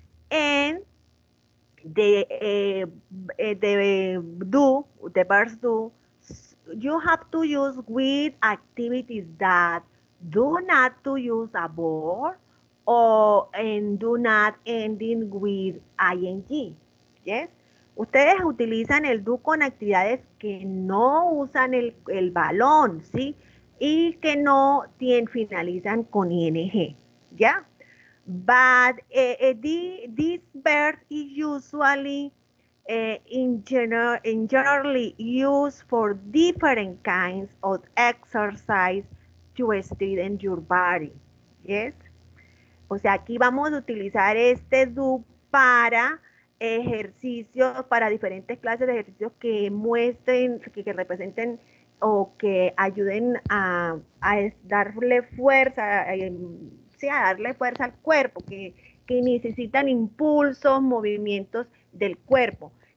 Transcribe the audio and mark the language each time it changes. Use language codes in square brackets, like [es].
[en] And the verbs do, you have to use with activities that do not to use a verb or and do not ending with ing. Yes? [es] Ustedes utilizan el do con actividades que no usan el balón, ¿sí? Y que no finalizan con ing, ¿ya? [en] But this verb is usually generally used for different kinds of exercise to strengthen your body. Yes? [es] O sea, aquí vamos a utilizar este do para ejercicios, para diferentes clases de ejercicios que muestren, que representen o que ayuden a darle fuerza, a darle fuerza al cuerpo, que necesitan impulsos, movimientos del cuerpo.